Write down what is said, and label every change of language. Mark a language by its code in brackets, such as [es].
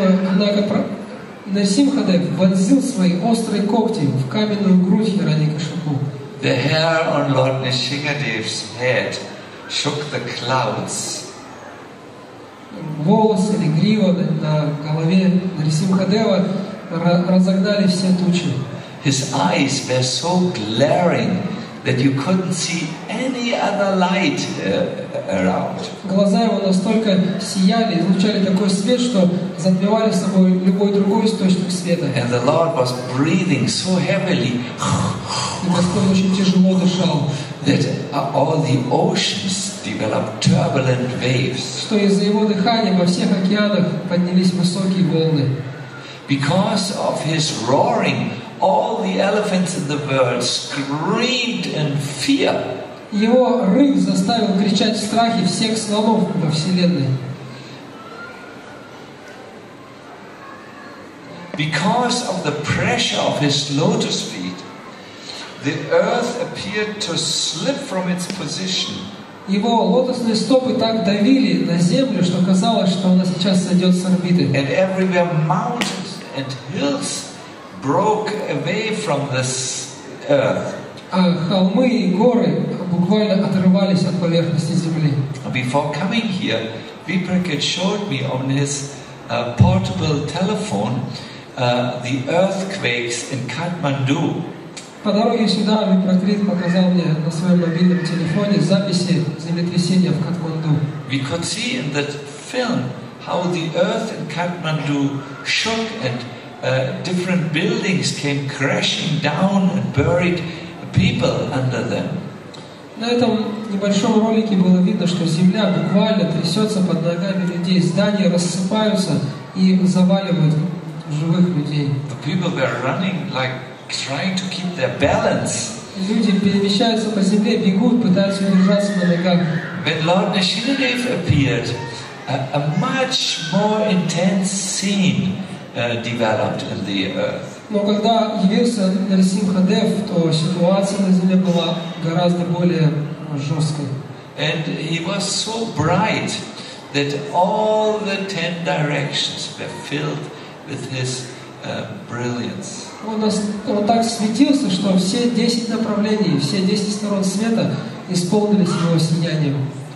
[ru] Однако Нарасимхадев вонзил свои острые когти в каменную грудь Хираньякашипу. [en] The hair on Lord Nishingadev's head shook the clouds. [ru] Волосы или грива на голове Нарасимхадева разогнали все тучи. [en] His eyes were so glaring that you couldn't see any other light around. [ru] Глаза его настолько сияли, излучали такой свет, что затмевали собой любой другой источник света. [en] And the Lord was breathing so heavily. [ru] И Господь очень тяжело дышал. [en] That all the oceans developed turbulent waves. [ru] Что из-за его дыхания во всех океанах поднялись высокие волны. [en] Because of his roaring, all the elephants in the world screamed in fear. [ru] Его рык заставил кричать в страхе всех слонов во вселенной. [en] Because of the pressure of his lotus feet, the earth appeared to slip from its position. [ru] Его лотосные стопы так давили на землю, что казалось, что она сейчас сойдет с орбиты. [en] And everywhere mountains and hills broke away from this earth. [ru] А холмы и горы буквально отрывались от поверхности земли. [en] Before coming here, Vipraket showed me on his portable telephone the earthquakes in Kathmandu. [ru] По дороге сюда Vipraket показал мне на своем мобильном телефоне записи землетрясения в Катманду. [en] We could see in that film how the earth in Kathmandu shook and different buildings came crashing down and buried people under them. [ru] На этом небольшом ролике было видно, что земля буквально трясется под ногами людей, здания рассыпаются и заваливают живых людей. [en] The people were running, like trying to keep their balance. [ru] Люди перемещаются по земле, бегут, пытаются удержаться на ногах. [en] When Lord Nishinadev appeared, a much more intense scene developed in the earth. [ru] Но когда явился Нарасимхадев, то ситуация на земле была гораздо более жесткой. [en] And he was so bright that all the 10 directions were filled with his brilliance. [ru] Он так светился, что все 10 направлений, все 10 сторон света исполнились его сиянием.